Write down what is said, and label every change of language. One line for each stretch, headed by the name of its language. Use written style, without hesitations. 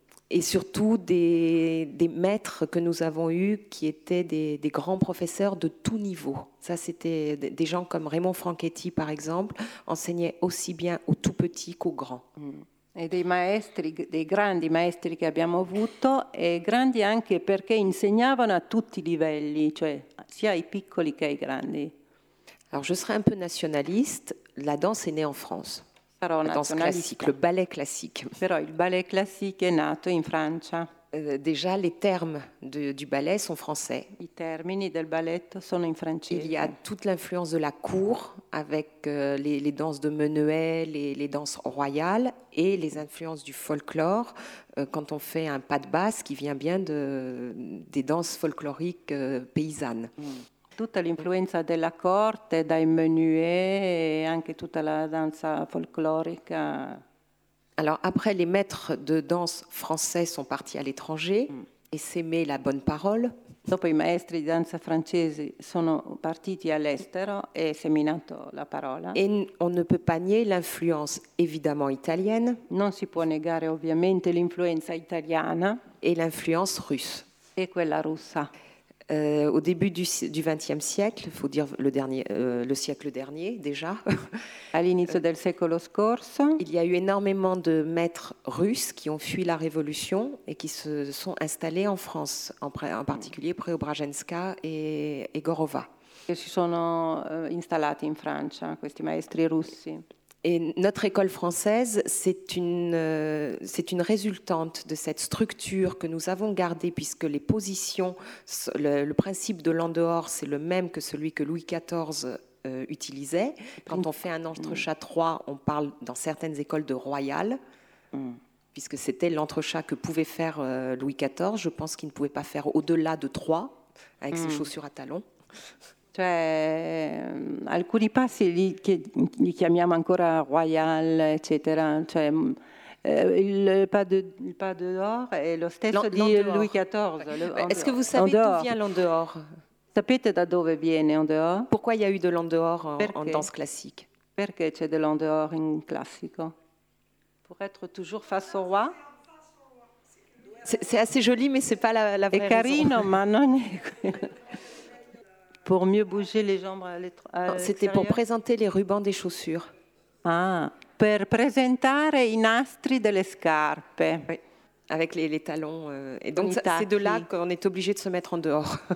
French: Et surtout des maîtres que nous avons eus qui étaient des grands professeurs de tout niveau. Ça, c'était des gens comme Raymond Franchetti, par exemple, enseignaient aussi bien aux tout petits qu'aux grands. Et des
Italian: maestri, des grandi maestri che abbiamo avuto, e grandi anche perché insegnavano a tutti i livelli, cioè sia ai piccoli che ai grandi.
French: Alors, je serai un peu nationaliste. La danse est née en France. La danse classique, le ballet classique.
Italian: Però il ballet classique est nato in Francia.
French: Déjà, les termes du ballet sont français.
Italian: I termini del balletto sono in francese.
French: Il y a toute l'influence de la cour avec les danses de Menuet, les danses royales et les influences du folklore quand on fait un pas de basse qui vient bien des danses folkloriques paysannes. Mm.
Italian: Tutta l'influenza della corte, dai menuet e anche tutta la danza folklorica.
French: Alors après, les maîtres de danse français sont partis à l'étranger et s'aimaient la bonne parole.
Italian: Dopo i maestri di danza francesi sono partiti all'estero e seminato la parola.
French: Et on ne peut pas nier l'influence évidemment italienne.
Italian: Non si può negare ovviamente l'influenza italiana.
French: Et l'influence russe.
Italian: E quella russa.
French: Au début du XXe siècle, il faut dire le siècle dernier déjà.
Italian: À l'inizio del secolo scorso,
French: il y a eu énormément de maîtres russes qui ont fui la révolution et qui se sont installés en France, en particulier Preobrajenska et Gorova.
Italian: Che si sono installati in Francia questi maestri russi.
French: Et notre école française, c'est une résultante de cette structure que nous avons gardée, puisque les positions, le principe de l'en dehors, c'est le même que celui que Louis XIV utilisait. Quand on fait un entrechat 3, on parle dans certaines écoles de royal, puisque c'était l'entrechat que pouvait faire Louis XIV. Je pense qu'il ne pouvait pas faire au-delà de 3 avec ses chaussures à talons.
Italian: Cioè, alcuni passi li chiamiamo ancora royal, eccetera. Cioè, il pas de dehors è lo stesso di Louis XIV.
French: Est-ce que vous savez d'où vient l'en dehors?
Italian: Sapete da dove viene en dehors?
French: Pourquoi il y a eu de l'en dehors en danse classique?
Italian: Perché c'è de l'en dehors in classico?
French: Pour être toujours face au roi? C'est assez joli, mais c'est pas la vraie raison.
Italian: È carino, ma non è...
French: Pour mieux bouger les jambes à l'extérieur? C'était pour présenter les rubans des chaussures.
Italian: Ah, per presentare i nastri delle scarpe.
French: Oui. Avec les talons. Et donc, ça, c'est de là qu'on est obligé de se mettre en dehors.